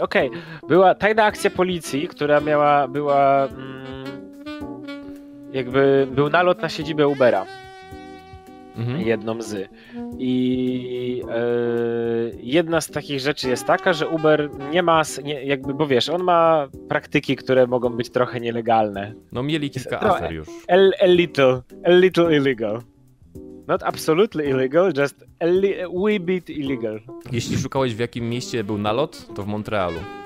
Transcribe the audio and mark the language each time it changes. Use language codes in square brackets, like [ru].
[pl] Okej, była tajna akcja policji, która była jakby był nalot na siedzibę Ubera. Mhm. Jedną z. I jedna z takich rzeczy jest taka, że Uber nie ma, nie, jakby, bo wiesz, on ma praktyki, które mogą być trochę nielegalne. No mieli kilka afer już. [en] A little illegal. Not absolutely illegal, just a wee bit illegal. [pl] Jeśli szukałeś, w jakim mieście był nalot, to w Montrealu.